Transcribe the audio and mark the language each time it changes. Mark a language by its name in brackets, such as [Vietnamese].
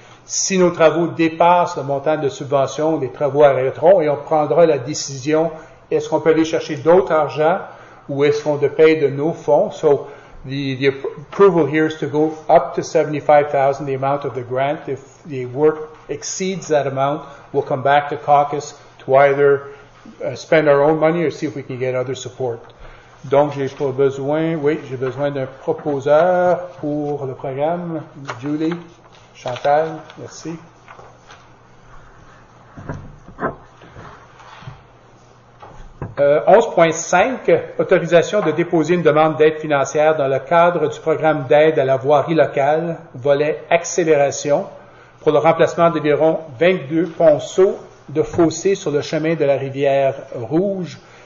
[French] Si nos travaux dépassent le montant de subvention, les travaux arrêteront et on prendra la décision, est-ce qu'on peut aller chercher d'autres argent ou est-ce qu'on doit payer de nos fonds? [English] So the approval here is to go up to $75,000, the amount of the grant. If the work exceeds that amount, we'll come back to caucus to either spend our own money or see if we can get other support. [French] Donc, j'ai besoin d'un proposeur pour le programme. Julie, Chantal, merci. Euh, 11.5, autorisation de déposer une demande d'aide financière dans le cadre du programme d'aide à la voirie locale, volet accélération, pour le remplacement d'environ 22 ponceaux de fossés sur le chemin de la rivière Rouge.